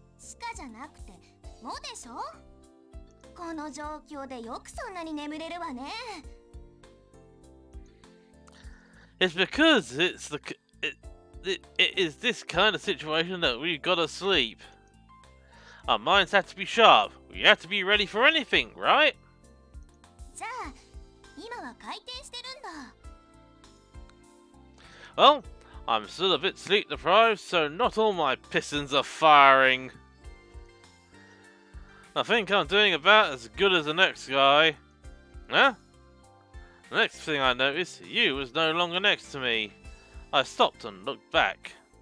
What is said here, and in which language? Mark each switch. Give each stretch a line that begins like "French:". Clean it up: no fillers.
Japanese: しかじゃなくて、もでしょ?この状況でよくそんなに眠れるわね。
English: It's because it is this kind of situation that we've got to sleep. Our minds have to be sharp. We have to be ready for anything, right?
Japanese: じゃあ、今は回転してるんだ。
English: Well,I'm still a bit sleep deprived, so not all my pistons are firing. I think I'm doing about as good as the next guy. Huh? The next thing I noticed, you was no longer next to me. I stopped and looked back.